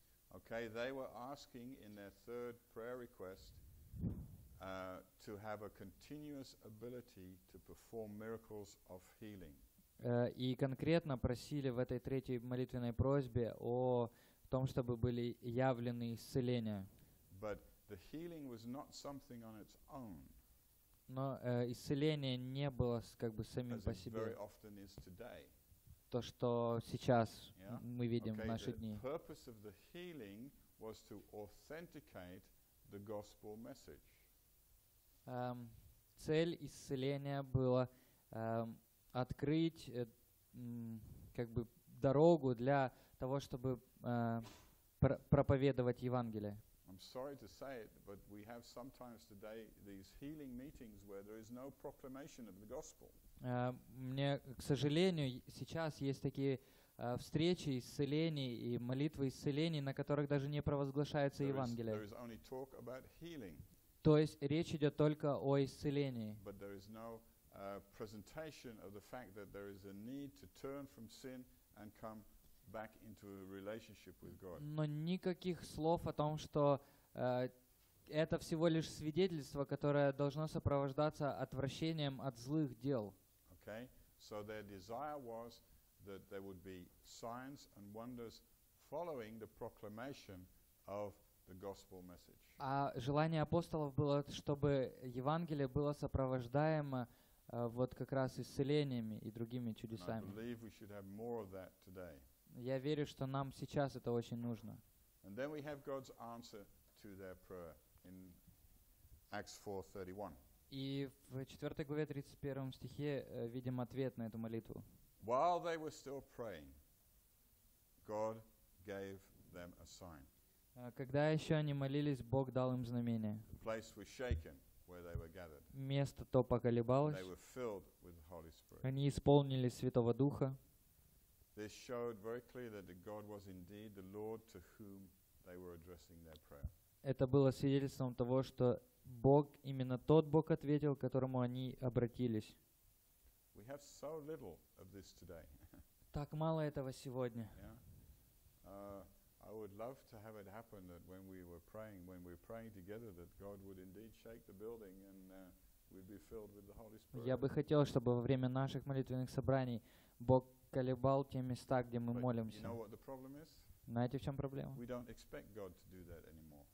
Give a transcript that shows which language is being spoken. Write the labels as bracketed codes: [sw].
[en] Okay, they were asking in their third prayer request to have a continuous ability to perform miracles of healing. [ru] И конкретно просили в этой третьей молитвенной просьбе о том, чтобы были явлены исцеления. [en] But the healing was not something on its own. [ru] Но исцеление не было как бы самим по себе. [en] Very often is today. [ru] То, что сейчас мы видим [en] okay, [ru] в наши дни. [en] The purpose of the healing was to authenticate the gospel message. [ru] Цель исцеления была открыть как бы дорогу для того, чтобы проповедовать Евангелие. [en] I'm sorry to say it, but we have sometimes today these healing meetings where there is no proclamation of the gospel. [ru] Мне, к сожалению, сейчас есть такие встречи исцелений и молитвы исцелений, на которых даже не провозглашается Евангелие. [en] There is only talk about healing. [ru] То есть речь идет только о исцелении. [en] But there is no presentation of the fact that there is a need to turn from sin and come back into a relationship with God. [ru] Но никаких слов о том, что это всего лишь свидетельство, которое должно сопровождаться отвращением от злых дел. [en] Okay. So their desire was that there would be signs and wonders following the proclamation of the gospel message. [ru] А желание апостолов было, чтобы Евангелие было сопровождаемо вот как раз исцелениями и другими чудесами. [en] And I believe we should have more of that today. [ru] Я верю, что нам сейчас это очень нужно. [en] And then we have God's answer to their prayer in Acts 4:31. [ru] И в 4 главе 31 стихе видим ответ на эту молитву. [en] While they were still praying, God gave them a sign. [ru] Когда еще они молились, Бог дал им знамение. [en] The place was shaken where they were gathered. [ru] Место то поколебалось. [en] They were filled with the Holy Spirit. [ru] Они исполнились Святого Духа. [en] This showed very clearly that God was indeed the Lord to whom they were addressing their prayer. [ru] Это было свидетельством того, что Бог именно тот Бог ответил, к которому они обратились. [en] We have so little of this today. [ru] Так мало этого сегодня. [en] I would love to have it happen that when we were praying together, that God would indeed shake the building and we'd be filled with the Holy Spirit. [ru] Я бы хотел, чтобы во время наших молитвенных собраний Бог колебал те места, где мы молимся. [en] You know what the problem is? [ru] Знаете, в чем проблема? [en] We don't expect God to do that anymore.